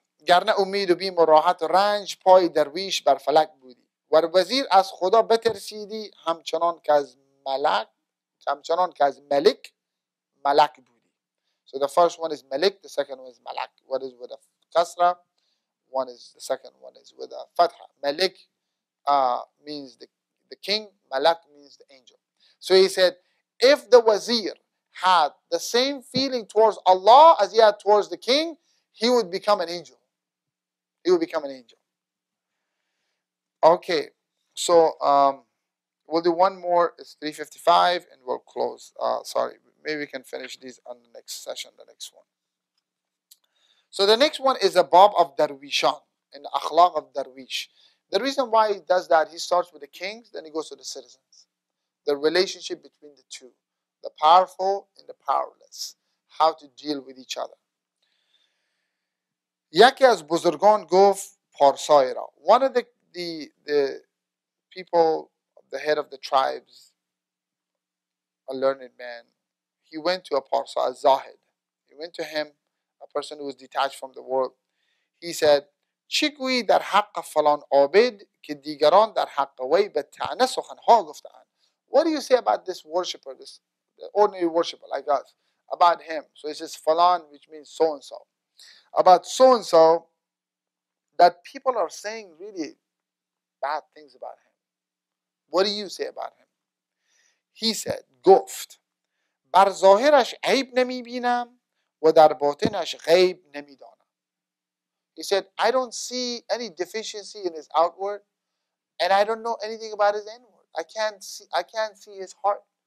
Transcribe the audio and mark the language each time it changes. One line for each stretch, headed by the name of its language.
Persian: گرنه امید و بیم و راحت و رنج پای درویش بر فلک بودی و وزیر از خدا بترسیدی همچنان که از ملک همچنان که از ملک ملک بودی.
English: So the first one is ملک, the second one is ملک. What is with a kasra? One is the second one is with a fatha. ملک means the king, ملک means the angel. So he said, if the wazir had the same feeling towards Allah as he had towards the king, he would become an angel. He would become an angel. Okay, so we'll do one more. It's 3:55 and we'll close. Sorry, maybe we can finish these on the next session, the next one. So the next one is a bab of darwishan, in the akhlaq of darwish. The reason why he does that, he starts with the kings, then he goes to the citizens. The relationship between the two, the powerful and the powerless, how to deal with each other.
Persian: یکی از بزرگان گفت پارسای را.
English: One of the people, the head of the tribes, a learned man, he went to a parsa, a zahid. He went to him, a person who was detached from the world. He said,
Persian: چی گویی در حق فلان عابد که دیگران در حق وی به طعنه سخنها گفتند؟
English: What do you say about this worshipper, this ordinary worshipper like us, about him? So it says falan, which means so-and-so. About so-and-so, that people are saying really bad things about him. What do you say about him? He said,
Persian: گفت, بر ظاهرش عیب نمی بینم و در باطنش غیب نمی دانم.
English: He said, I don't see any deficiency in his outward and I don't know anything about his inward. I can't see his heart.